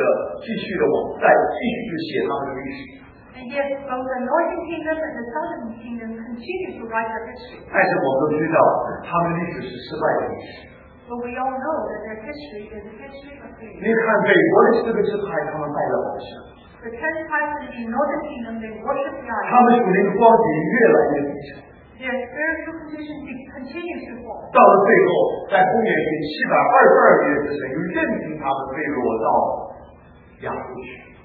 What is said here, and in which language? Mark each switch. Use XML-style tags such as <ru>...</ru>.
<zh>你看见北国也好，南国也好，他们就继续的往再继续写他们的历史。</zh> <en>And yet, both the Northern Kingdom and the Southern Kingdom continue to write their history.</en> <zh>但是我们都知道，他们的历史是失败的历史。</zh> <en>But we all know that their history is a history of failure.</en> <zh>你看北国的这个支派，他们拜了偶像。</zh> <en>The 10 tribes in the Northern Kingdom, they worship the idols.</en> <zh>他们属灵光景越来越低沉。</zh> <en>Their spiritual condition continues to fall.</en> <zh>到了最后，在公元前722年的时候，又任凭他们坠落到亚述去。</zh>